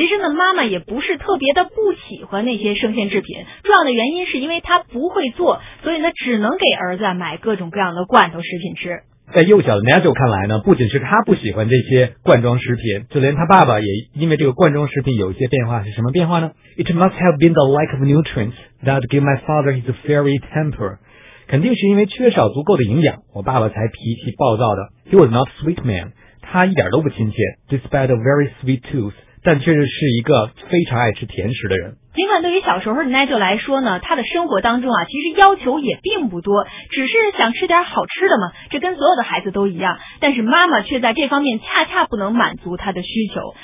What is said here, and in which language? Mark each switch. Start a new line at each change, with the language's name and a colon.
Chinese: 其实呢，妈妈也不是特别的不喜欢那些生鲜制品，重要的原因是因为她不会做，所以呢，只能给儿子买各种各样的罐头食品吃。在幼小的 Nigel 看来呢，不仅是他不喜欢这些罐装食品，就连他爸爸也因为这个罐装食品有一些变化。是什么变化呢
English: ？It must have been the lack of nutrients that gave my father his fiery temper.
Chinese: 肯定是因为缺少足够的营养，我爸爸才脾气暴躁的。
English: He was not a sweet man.
Chinese: 他一点都不亲切 ,
English: despite a very sweet tooth,
Chinese: 但确实是一个非常爱吃甜食的人。尽管对于小时候的 Nigel 来说呢，他的生活当中啊其实要求也并不多，只是想吃点好吃的嘛，这跟所有的孩子都一样，但是妈妈却在这方面恰恰不能满足他的需求。